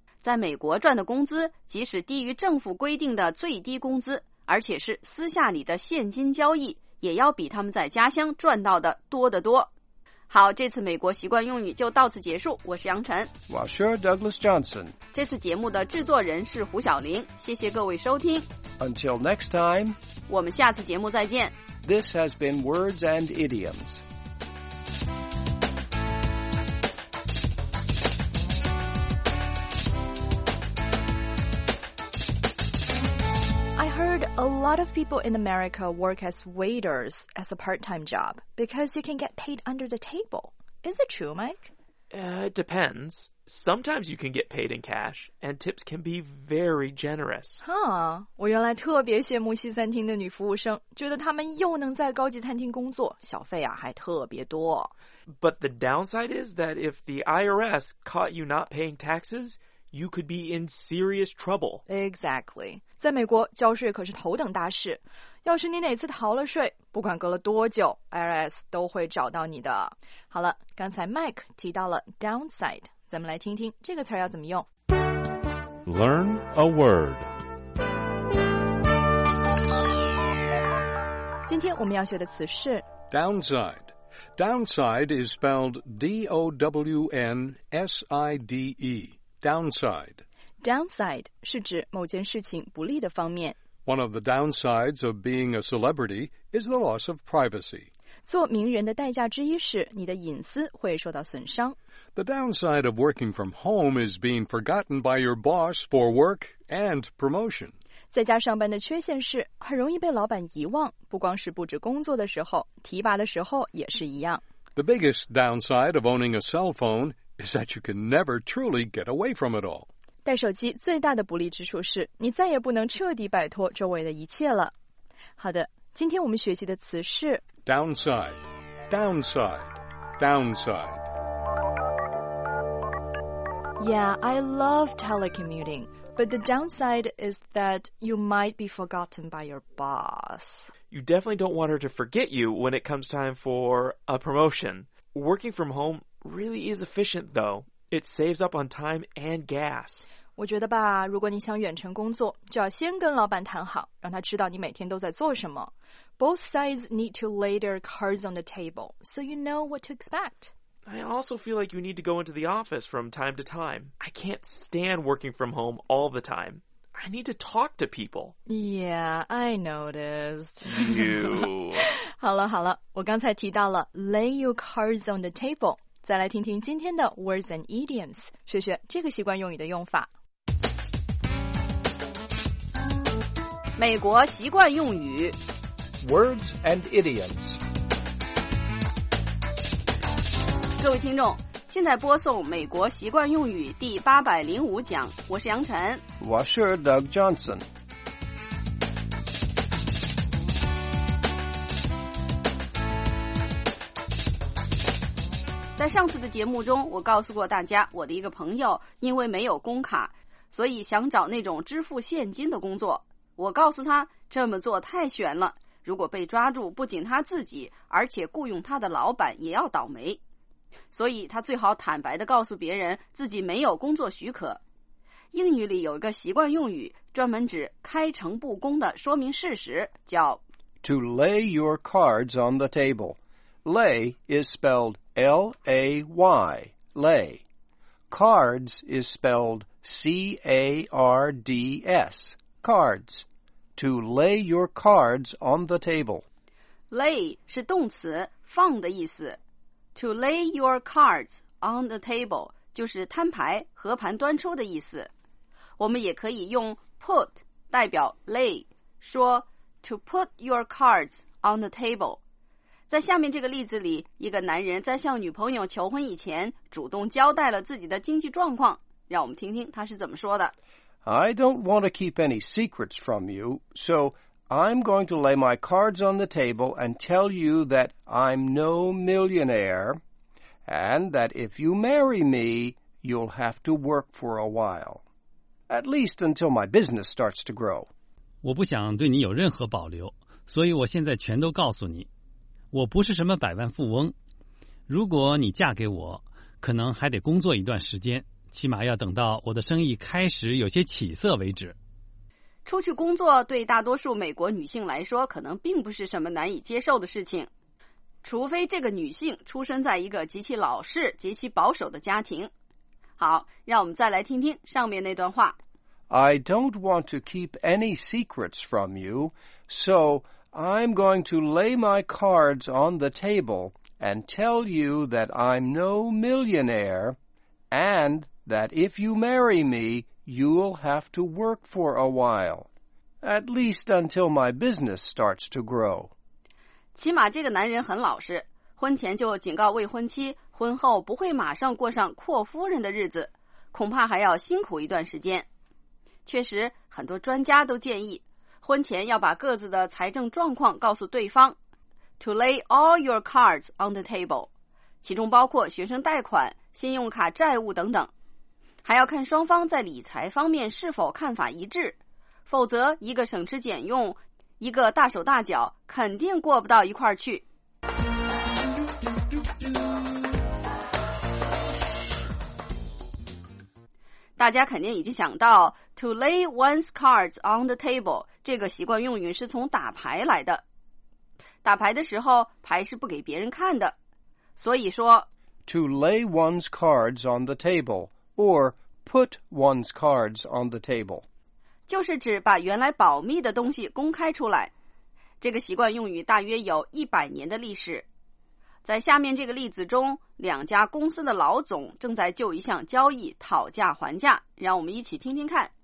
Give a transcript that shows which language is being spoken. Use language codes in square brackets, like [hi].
[zh] 在美国赚的工资即使低于政府规定的最低工资，而且是私下里的现金交易，也要比他们在家乡赚到的多得多。好，这次美国习惯用语就到此结束，我是杨晨。 [en] Washer Douglas Johnson， [zh] 这次节目的制作人是胡晓玲，谢谢各位收听。 [en] Until next time， [zh] 我们下次节目再见。 [en] This has been Words and Idioms。 A lot of people in America work as waiters as a part-time job because you can get paid under the table. Is it true, Mike? It depends. Sometimes you can get paid in cash, and tips can be very generous. Huh. [zh] 我原来特别羡慕西餐厅的女服务生，觉得她们又能在高级餐厅工作，小费啊还特别多。 [en] But the downside is that if the IRS caught you not paying taxes... You could be in serious trouble. Exactly. [zh] 在美国交税可是头等大事。要是你哪次逃了税，不管隔了多久， IRS 都会找到你的。好了，刚才 Mike 提到了 downside， 咱们来听听这个词要怎么用。 [en] Learn a word. [zh] 今天我们要学的词是 [en] downside. Downside is spelled D-O-W-N-S-I-D-E. Downside. [zh] Downside 是指某件事情不利的方面。 [en] One of the downsides of being a celebrity is the loss of privacy. [zh] 做名人的代价之一是你的隐私会受到损伤。 [en] The downside of working from home is being forgotten by your boss for work and promotion. [zh] 在家上班的缺陷是很容易被老板遗忘，不光是布置工作的时候，提拔的时候也是一样。 [en] The biggest downside of owning a cell phone is that you can never truly get away from it all. [zh] 带手机最大的不利之处是你再也不能彻底摆脱周围的一切了。好的，今天我们学习的词是 [en] downside, downside, downside. Yeah, I love telecommuting, but the downside is that you might be forgotten by your boss. You definitely don't want her to forget you when it comes time for a promotion. Working from home really is efficient, though. It saves up on time and gas. [zh] 我觉得吧，如果你想远程工作，就要先跟老板谈好，让他知道你每天都在做什么。 [en] Both sides need to lay their cards on the table, so you know what to expect. I also feel like you need to go into the office from time to time. I can't stand working from home all the time. I need to talk to people. Yeah, I noticed. You. [zh] 好了好了，我刚才提到了 [en] lay your cards on the table. [zh] 再来听听今天的 Words and Idioms, 学学这个习惯用语的用法。美国习惯用语 [en] Words and Idioms。 [zh] 各位听众，现在播送美国习惯用语第805讲，我是杨晨，我是 Doug Johnson。在上次的节目中，我告诉过大家，我的一个朋友因为没有工卡，所以想找那种支付现金的工作。我告诉他，这么做太悬了，如果被抓住，不仅他自己，而且雇佣他的老板也要倒霉。所以他最好坦白地告诉别人自己没有工作许可。英语里有一个习惯用语，专门指开诚布公地说明事实，叫 [en] To lay your cards on the table. Lay is spelled L-A-Y, lay. Cards is spelled C-A-R-D-S, cards. To lay your cards on the table. [zh] Lay 是动词放的意思。 [en] To lay your cards on the table [zh] 就是摊牌和盘端出的意思。我们也可以用 put 代表 lay, 说 [en] to put your cards on the table. [zh] 在下面这个例子里，一个男人在向女朋友求婚以前主动交代了自己的经济状况，让我们听听他是怎么说的。 [en] I don't want to keep any secrets from you, so I'm going to lay my cards on the table and tell you that I'm no millionaire and that if you marry me, you'll have to work for a while, at least until my business starts to grow. [zh] 我不想对你有任何保留，所以我现在全都告诉你，我不是什么百万富翁，如果你嫁给我，可能还得工作一段时间，起码要等到我的生意开始有些起色为止。出去工作对大多数美国女性来说可能并不是什么难以接受的事情，除非这个女性出生在一个极其老式极其保守的家庭。好，让我们再来听听上面那段话。 [en] I don't want to keep any secrets from you, soI'm going to lay my cards on the table and tell you that I'm no millionaire and that if you marry me, you'll have to work for a while, at least until my business starts to grow. [zh] 起码这个男人很老实，婚前就警告未婚妻，婚后不会马上过上阔夫人的日子，恐怕还要辛苦一段时间。确实，很多专家都建议婚前要把各自的财政状况告诉对方 , [en] to lay all your cards on the table, [zh] 其中包括学生贷款、信用卡债务等等。还要看双方在理财方面是否看法一致，否则一个省吃俭用，一个大手大脚，肯定过不到一块儿去。大家肯定已经想到 [en] to lay one's cards on the table [zh] 这个习惯用语是从打牌来的。打牌的时候牌是不给别人看的，所以说 [en] to lay one's cards on the table or put one's cards on the table [zh] 就是指把原来保密的东西公开出来。这个习惯用语大约有100年的历史。在下面这个例子中，两家公司的老总正在就一项交易讨价还价，让我们一起听听看。